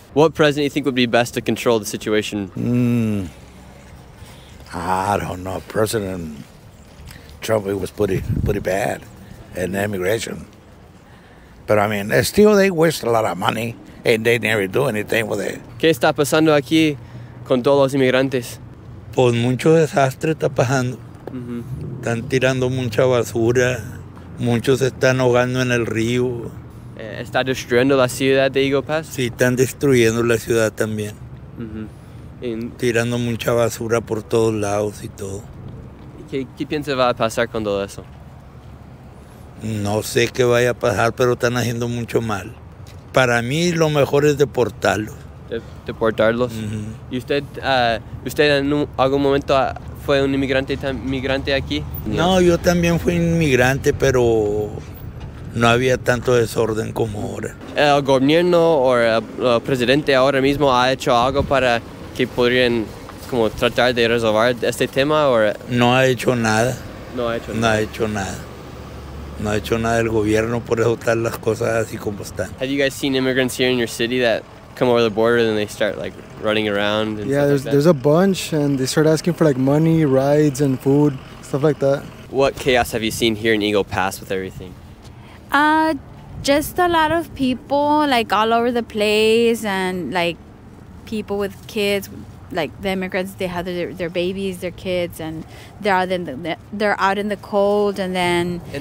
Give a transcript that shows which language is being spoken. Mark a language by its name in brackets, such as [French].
[English] What president do you think would be best to control the situation? I don't know. President Trump, it was pretty bad in immigration. But I mean, still, they waste a lot of money and they never do anything with it. [Spanish] ¿Qué está pasando aquí con todos los inmigrantes? Pues mucho desastre está pasando. Están tirando mucha basura. Muchos están ahogando en el río. ¿Está destruyendo la ciudad de Eagle Pass? Sí, están destruyendo la ciudad también. Tirando mucha basura por todos lados y todo. ¿Qué piensa va a pasar con todo eso? No sé qué vaya a pasar, pero están haciendo mucho mal. Para mí lo mejor es deportarlos. ¿Deportarlos? ¿Y usted en algún momento fue un inmigrante migrante aquí? No, yo también fui inmigrante, pero no había tanto desorden como ahora. ¿El gobierno o el presidente ahora mismo ha hecho algo para que podrían como tratar de resolver este tema o...? No ha hecho nada. No ha hecho nada. No ha hecho nada. No ha hecho nada el gobierno, por eso están las cosas así como están. [English] Have you guys seen immigrants here in your city that come over the border and they start like running around and yeah, stuff like that? There's a bunch and they start asking for like money, rides and food, stuff like that. What chaos have you seen here in Eagle Pass with everything? Just a lot of people like all over the place and like people with kids, like the immigrants, they have their babies, their kids, and they're out in the cold, and then